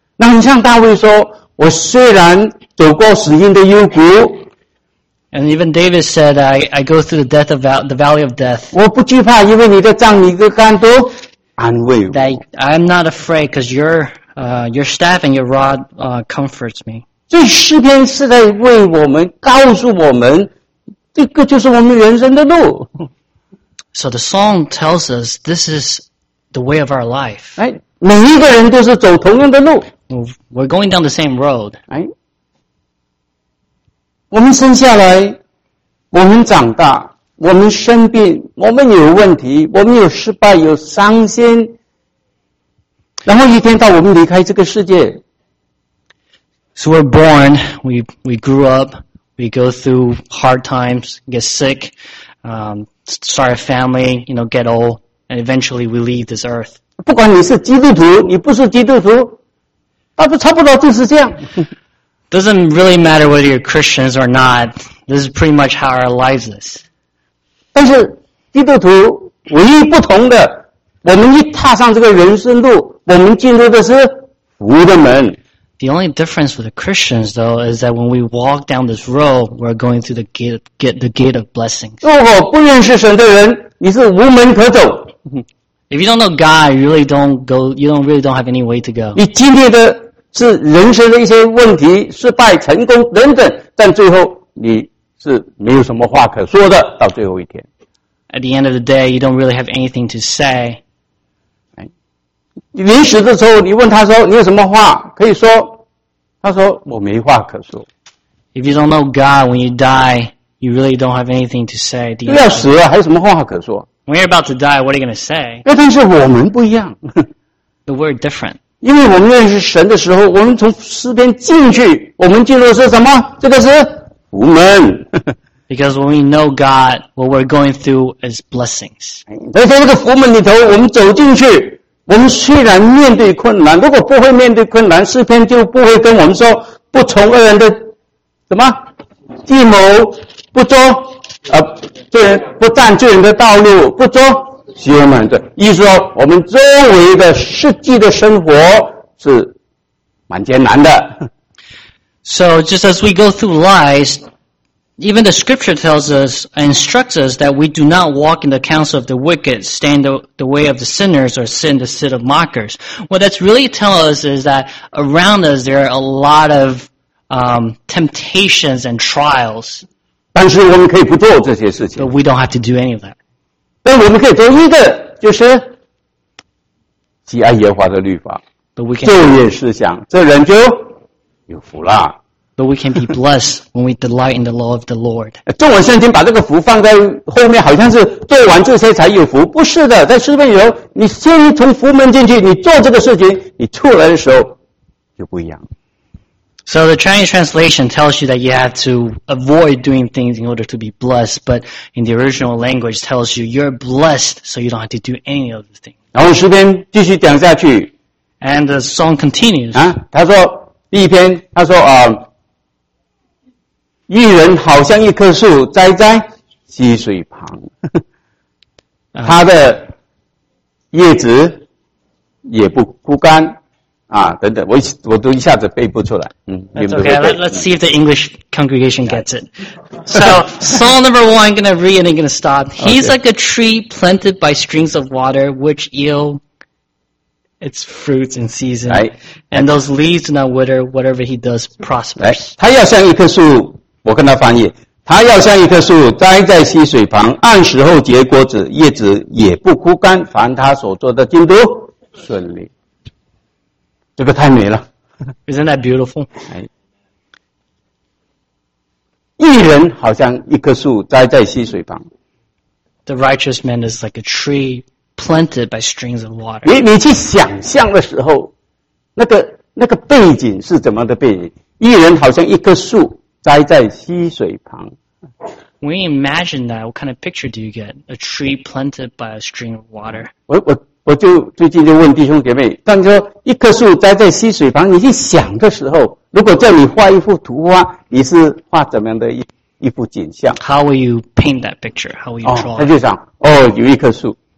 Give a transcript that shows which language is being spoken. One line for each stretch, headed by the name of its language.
Chinese: 那你像大卫说，我虽然走过死荫的幽谷，
English: and even David said, I go through the valley of death.
Chinese: 我不惧怕，因为你的杖、你的竿都安慰我。
English: That I'm not afraid because your staff and your rod comforts me.
Chinese: 这诗篇是在为我们告诉我们，这个就是我们人生的路。
English: So the song tells us this is the way of our life.
Chinese: 哎，每一个人都是走同样的路。
English: We're going down the same road.
Chinese: 哎，我们生下来，我们长大，我们生病，我们有问题，我们有失败，有伤心，然后一天到我们离开这个世界。
English: So we're born, we grew up, we go through hard times, get sick, start a family, you know, get old, and eventually we leave this earth.
Chinese: 不管你是基督徒，你不是基督徒，那不差不多就是这样。
English: Doesn't really matter whether you're Christians or not, this is pretty much how our lives is.
Chinese: 但是基督徒唯一不同的，我们一踏上这个人生路，我们进入的是福的门。
English: The only difference with the Christians, though, is that when we walk down this road, we're going through the gate of blessings.
Chinese: 如果不认识神的人，你是无门可走。
English: If you don't know God, you really don't have any way to go.
Chinese: 你经历的是人生的一些问题、失败、成功等等，但最后你是没有什么话可说的，到最后一天。
English: At the end of the day, you don't really have anything to say.
Chinese: 临死的时候，你问他说：“你有什么话可以说？” 他说：“我没话可说。”
English: If you don't know God, when you die, you really don't have anything to say.
Chinese: 又要死了，还有什么话可说
English: ？When you're about to die, what are you going to say?
Chinese: 那但是我们不一样。
English: But we're different.
Chinese: 因为我们认识神的时候，我们从诗篇进去，我们进入的是什么？这个是福门。
English: Because when we know God, what we're going through is blessings.
Chinese: 在这个福门里头，我们走进去。我们虽然面对困难，如果不会面对困难，诗篇就不会跟我们说不从恶人的什么计谋，不捉罪人，不占罪人的道路，不捉邪门的。意思说，我们周围的实际的生活是蛮艰难的。
English: So just as we go through lives, even the scripture tells us and instructs us that we do not walk in the counsel of the wicked, stand the way of the sinners, or sit in the seat of mockers. What that's really telling us is that around us there are a lot of temptations and trials.
Chinese: 但是我们可以不做这些事情。
English: But we don't have to do any of that.
Chinese: 但我们可以做一个，就是喜爱耶和华的律法，昼夜思想，这人就有福了。
English: But we can be blessed when we delight in the law of the Lord.
Chinese: 中文圣经把这个福放在后面，好像是做完这些才有福。不是的，在诗篇里头，你先从福门进去，你做这个事情，你出来的时候就不一样。
English: So the Chinese translation tells you that you have to avoid doing things in order to be blessed, but in the original language tells you you're blessed, so you don't have to do any of the things.
Chinese: 然后诗篇继续讲下去。
English: And the song continues.
Chinese: 啊，他说第一篇，他说啊。一人好像一棵树栽在溪水旁，他的叶子也不枯干，啊，等等，我都一下子背不出来。
English: That's okay. Let's see if the English congregation gets it. So, Psalm number one, I'm going to read and I'm going to stop. He's like a tree planted by streams of water, which yield its fruits in season. Right. And those leaves do not wither, whatever he does prospers.
Chinese: 他要像一棵树，我跟他翻译。他要像一棵树栽在溪水旁，按时后结果子，叶子也不枯干，凡他所做的进度顺利。这个太美了。
English: Isn't that beautiful?
Chinese: 一人好像一棵树栽在溪水旁。
English: The righteous man is like a tree planted by streams of water.
Chinese: 你去想象的时候，那个背景是怎么的背景？一人好像一棵树栽在溪水旁。
English: When you imagine that, what kind of picture do you get? A tree planted by a stream of water.
Chinese: 我就最近就问弟兄姐妹，但是说一棵树栽在溪水旁，你去想的时候，如果叫你画一幅图画，你是画怎么样的一幅景象？
English: How will you paint that picture? How will you draw?
Chinese: 他就想，有一棵树。